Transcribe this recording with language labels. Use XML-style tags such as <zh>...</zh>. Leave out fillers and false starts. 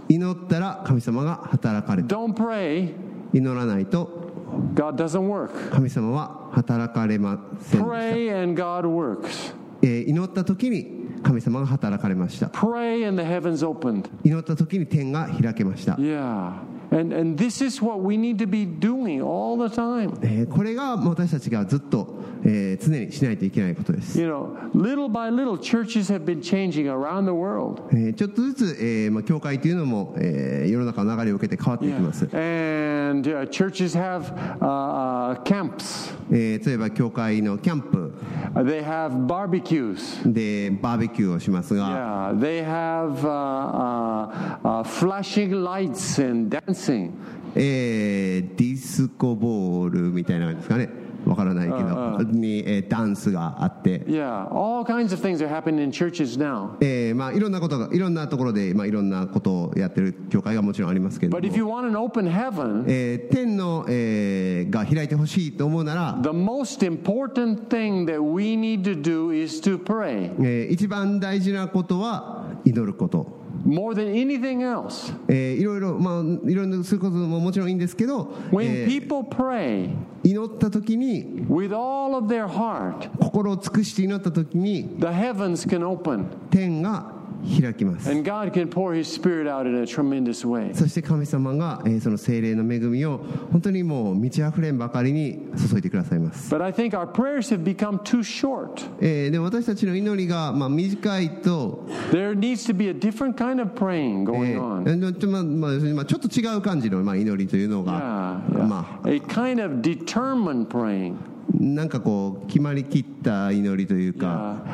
<ja>祈ったら神様が働かれた。</ja> <en>Don't pray.</en> <ja>祈らないと</ja> <en>God doesn't work.</en> <ja>神様は働かれませんでした。</ja> <en>Pray and God works.</en> <ja>祈った時に神様が働かれました。</ja> <en>Pray and the heavens opened.</en> <ja>祈った時に天が開けました。</ja> <en>Yeah. And this is what we need to be doing all the time.</en> <ja>これが私たちがずっと常にしないといけないことです。</ja> <en>You know, little by little, churches have been changing around the world.</en> <ja>ちょっとずつ教会というのも世の中の流れを受けて変わっていきます。</ja> <en>And churches have camps.</en> <ja>例えば教会のキャンプ。</ja> <en>They have barbecues.</en> <ja>でバーベキューをしますが。</ja> <en>Yeah, they have flashing lights and dancing.</en> <ja>ディスコボールみたいな感じですかね。わからないけど、にダンスがあって、</ja> <en>yeah, all kinds of things are happening in churches now.</en> <ja>まあ、いろんなことが、いろんなところで、まあ、いろんなことをやってる教会がもちろんありますけども、</ja> <en>but if you want an open heaven,</en> <ja>天の、が開いてほしいと思うなら、</ja> <en>the most important thing that we need to do is to pray.</en> <ja>一番大事なことは祈ること。</ja> <en>More than anything else.</en> <ja>いろいろ、まあ、いろいろすることももちろんいいんですけど、</ja> <en>When people pray,</en> <ja>祈った時に</ja> <en>with all of their heart,</en> <ja>心を尽くして祈った時に</ja> <en>the heavens can open.</en> <ja>天が開きます。</ja> <en>And God can pour His Spirit out in a tremendous way.</en> <ja>そして神様が、その聖霊の恵みを本当にもう満ち溢れんばかりに注いでくださいます。</ja> <en>But I think our prayers have become too short.</en> <ja>でも私たちの祈りが、まあ、短いと</ja> <en>There needs to be a different kind of praying going on.</en> <ja>ちょっと違う感じの、まあ、祈りというのが</ja> <en>yeah, yeah.</en> <ja>まあ、</ja> <en>A kind of determined praying.</en> <ja>なんかこう決まりきった祈りというか、</ja>